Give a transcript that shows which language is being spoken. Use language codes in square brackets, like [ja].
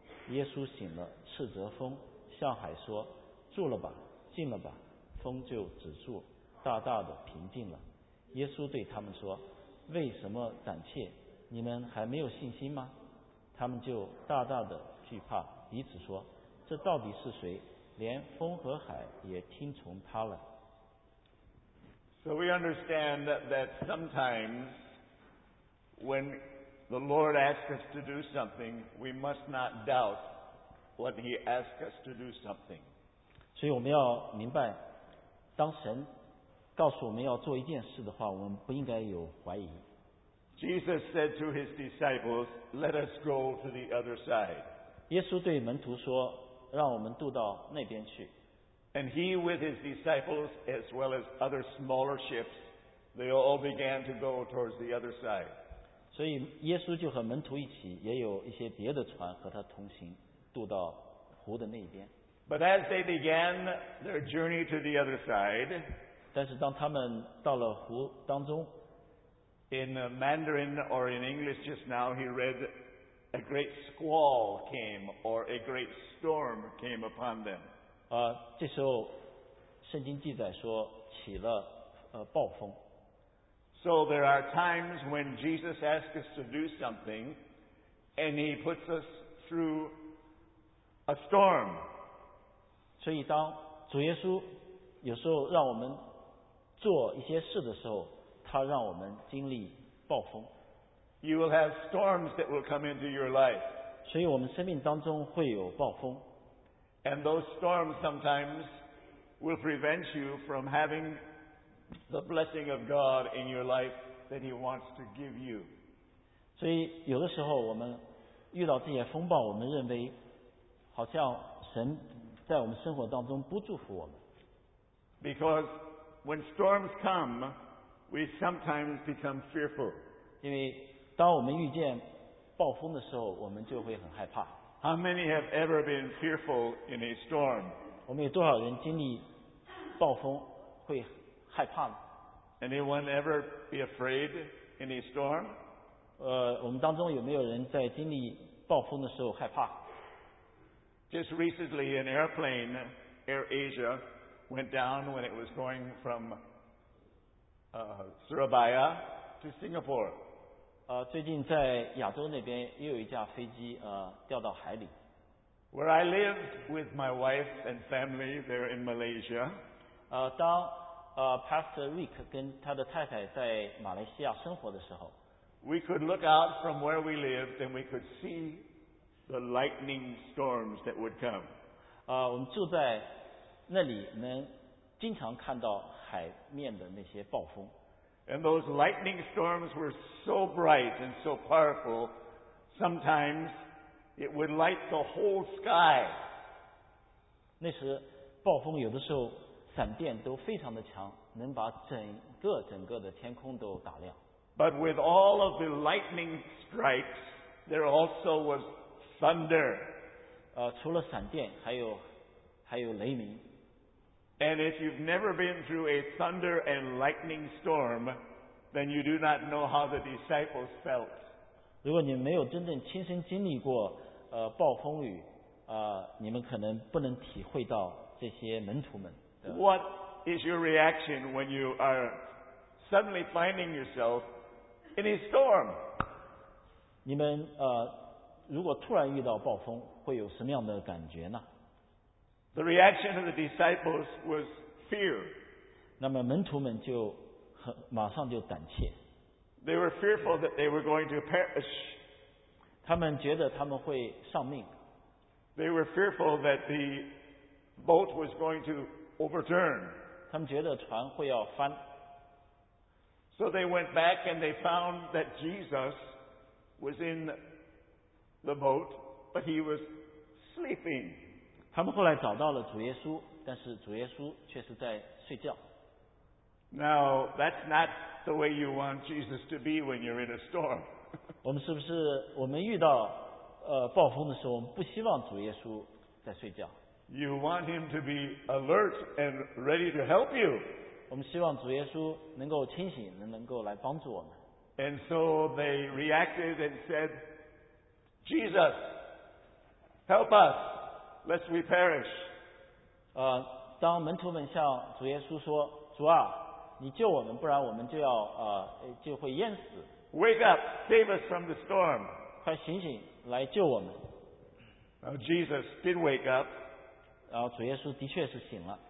[zh] 耶稣醒了，斥责风，向海说，住了吧，静了吧。风就止住，大大的平静了。耶稣对他们说，为什么胆怯？你们还没有信心吗？他们就大大的惧怕，彼此说，这到底是谁？连风和海也听从他了。 [en] So we understand that sometimes when the Lord asks us to do something, we must not doubt what He asks us to do something. [zh] 所以我们要明白，当神告诉我们要做一件事的话，我们不应该有怀疑。 [en] Jesus said to His disciples, "Let us go to the other side." [zh] 耶稣对门徒说，让我们渡到那边去。 [en] And he with his disciples, as well as other smaller ships, they all began to go towards the other side. [zh] 所以耶稣就和门徒一起，也有一些别的船和他同行，渡到湖的那边。 [en] But as they began their journey to the other side, [zh] 但是当他们到了湖当中， [en] in Mandarin or in English just now, he read, "A great squall came, or a great storm came upon them." [zh] 这时候圣经记载说起了暴风。 [en] So there are times when Jesus asks us to do something and he puts us through a storm. [zh] 所以当主耶稣有时候让我们做一些事的时候，他让我们经历暴风。 [en] You will have storms that will come into your life. [zh] 所以我们生命当中会有暴风。 [en] And those storms sometimes will prevent you from having the blessing of God in your life that He wants to give you. [zh] 所以有的时候我们遇到这些风暴，我们认为好像神在我们生活当中不祝福我们。 [en] Because when storms come, we sometimes become fearful. [zh] 因为当我们遇见暴风的时候，我们就会很害怕。 [en] How many have ever been fearful in a storm? [zh] 我们有多少人经历暴风会害怕呢？ [en] Anyone ever be afraid in a storm? [zh] 我们当中有没有人在经历暴风的时候害怕？ [en] Just recently, an airplane, Air Asia, went down when it was going from Surabaya to Singapore. [zh] 最近在亚洲那边又有一架飞机掉到海里。 [en] Where I lived with my wife and family there in Malaysia. [zh] 当Pastor Rick 跟他的太太在马来西亚生活的时候， [en] We could look out from where we lived and we could see the lightning storms that would come. [zh] 我们住在那里，能经常看到海面的那些暴风。 [en] And those lightning storms were so bright and so powerful, sometimes it would light the whole sky. [zh] 那时暴风有的时候闪电都非常的强，能把整个的天空都打亮。 [en] But with all of the lightning strikes, there also was thunder. [zh] 除了闪电，还有雷鸣。 [en] And if you've never been through a thunder and lightning storm, then you do not know how the disciples felt. [zh] 如果你没有真正亲身经历过暴风雨你们可能不能体会到这些门徒们的。 [en] What is your reaction when you are suddenly finding yourself in a storm? [zh] 你们如果突然遇到暴风，会有什么样的感觉呢？ [en] The reaction of the disciples was fear. [zh] 那么门徒们就马上就胆怯。 [en] They were fearful that they were going to perish. [zh] 他们觉得他们会丧命。 [en] They were fearful that the boat was going to overturn. [zh] 他们觉得船会要翻。 [en] So they went back and they found that Jesus was in the boat, but he was sleeping. [zh] 他们后来找到了主耶稣，但是主耶稣却是在睡觉。 [en] Now, that's not the way you want Jesus to be when you're in a storm. [zh] 我们是不是我们遇到暴风的时候，我们不希望主耶稣在睡觉。 [en] You want him to be alert and ready to help you. [zh] 我们希望主耶稣能够清醒，能够来帮助我们。 [en] And so they reacted and said, Jesus, help us, lest we perish. [zh] 当门徒们向主耶稣说，主啊，你救我们，不然我们就要就会淹死。 [en] Wake up, save us from the storm. [zh] 快醒醒，来救我们。 [en] Now Jesus did wake up. [zh] 然后主耶稣的确是醒了。